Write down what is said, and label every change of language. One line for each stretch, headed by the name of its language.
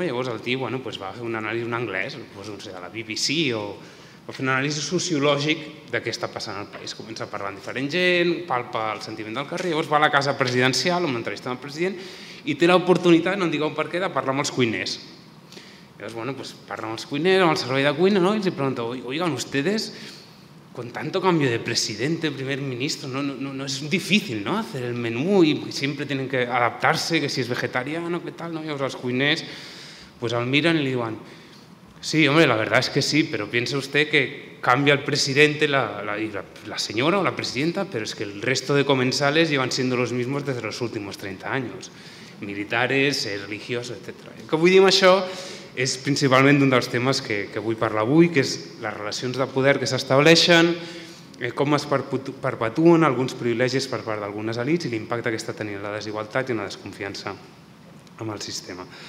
Catalan: Llavors el tio, bueno, pues va fer una anàlisi en anglès, pues, no sé, de la BBC, o va fer una anàlisi sociològic de què està passant al país. Comença a parlar amb diferent gent, palpa el sentiment del carrer, llavors va a la casa presidencial amb l'entrevista amb el president i té l'oportunitat, no em digueu per què, de parlar amb els cuiners. Llavors, bueno, pues parla amb els cuiners, amb el servei de cuina, no? I els pregunta,
Spanish: oigan, ustedes, con tanto cambio de presidente, primer ministro, no es difícil, ¿no?, hacer el menú y siempre tienen que adaptarse, que si es vegetariano, qué tal, ¿no? Y los cuiners, pues al miran y le digan, sí, hombre, la verdad es que sí, pero piense usted que cambia el presidente la señora o la presidenta, pero es que el resto de comensales llevan siendo los mismos desde los últimos 30 años, militares, religiosos, etc.
Catalan: El que vull dir amb això és principalment un dels temes que vull parlar avui, que és les relacions de poder que s'estableixen, com es perpetuen alguns privilegis per part d'algunes elites i l'impacte que està tenint la desigualtat i la desconfiança amb el sistema.